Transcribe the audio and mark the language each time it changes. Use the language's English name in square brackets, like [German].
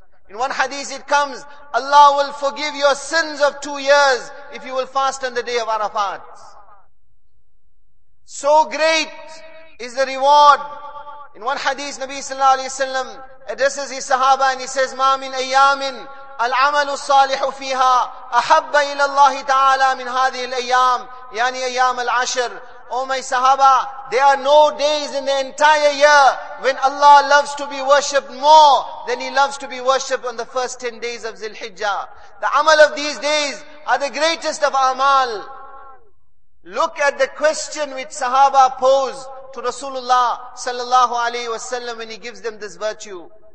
[English] In one hadith it comes, Allah will forgive your sins of 2 years if you will fast on the day of Arafat. So great is the reward. In one hadith, Nabi Sallallahu Alaihi Wasallam addresses his sahaba and he says, [Arabic] "Ma min ayyamin العمل الصالح فيها أحب إلى الله تعالى من هذه الأيام يعني أيام العشر. [English] Oh my sahaba, there are no days in the entire year when Allah loves to be worshipped more than He loves to be worshipped on the first 10 days of Zilhijjah. The amal of these days are the greatest of amal. Look at the question which sahaba posed to Rasulullah sallallahu alayhi wasallam when he gives them this virtue.